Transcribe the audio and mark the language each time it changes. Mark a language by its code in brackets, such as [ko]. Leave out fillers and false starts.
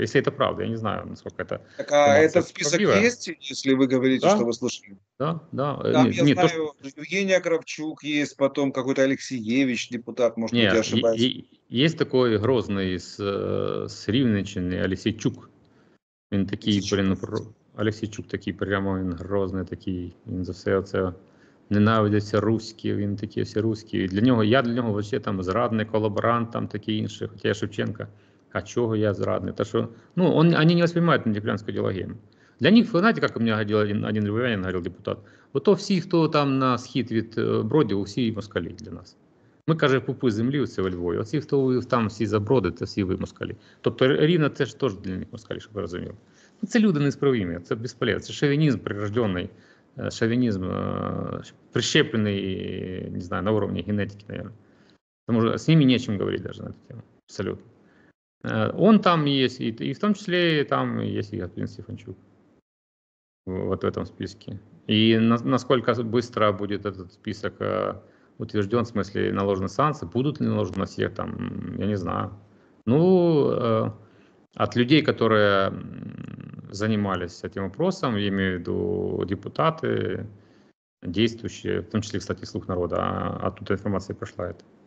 [ru] Если это правда, я не знаю, насколько это... Так, а этот список справедливая. Есть, если вы говорите, да? Что вы слышали? Да, да. Евгения Кравчук есть, потом какой-то Алексеевич, депутат, может быть, я ошибаюсь. Есть такой грозный с Рівненщини, Алексейчук. [uk] Він такий, блін, Алексійчук такий прямо, він грозний такий, він за все це ненавидиться руські, він такий все руський. Для нього, я для нього взагалі там зрадний колаборант, там такі інші, хоча я Шевченка, а чого я зрадний? Та що, ну, вони не сприймають антиукраїнську ідеологію. Для них, ви знаєте, як у мене говорив один львів'янин, говорив депутат, ото всі, хто там на схід від Броди, усі москалі для нас. Ми, каже, пупи землі у цього Львові. Оці, хто там всі заброди, це всі ви москалі. Тобто Рівно це ж теж для них москалі, щоб ви розуміли. Ну, це люди несправимі, це безполезно. Це шовінізм прирожденний, шовінізм прищеплений, не знаю, на уровні генетики, наверное. Тому що з ними нечим говорити навіть на цю тему. Абсолютно. Он там є, і в тому числі там є і Гатлін Стефанчук. [ru] Вот в этом списке. [uk] І наскільки швидко буде цей список утвержден, [ru] в смысле, наложены санкции, будут ли наложены на всех, [uk] там, я не знаю. [ru] Ну, от людей, которые занимались этим вопросом, я имею в виду депутаты, действующие, в том числе, кстати, слух народа, оттуда информация пришла. Это.